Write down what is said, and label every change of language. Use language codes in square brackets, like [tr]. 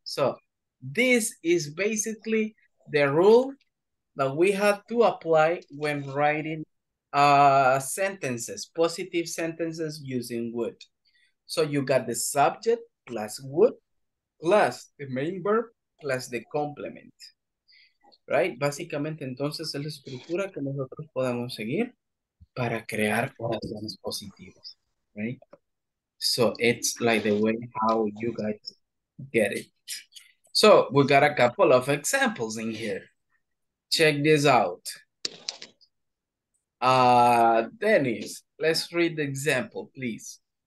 [en] So, this is basically the rule that we have to apply when writing sentences, positive sentences using would. So, you got the subject plus would, plus the main verb plus the complement. Right? [es] Básicamente, entonces, es la estructura que nosotros podemos seguir para crear oraciones positivas. [en] Right? So, it's like the way how you guys get it. So, we got a couple of examples in here. Check this out. Dennis, let's read the example, please.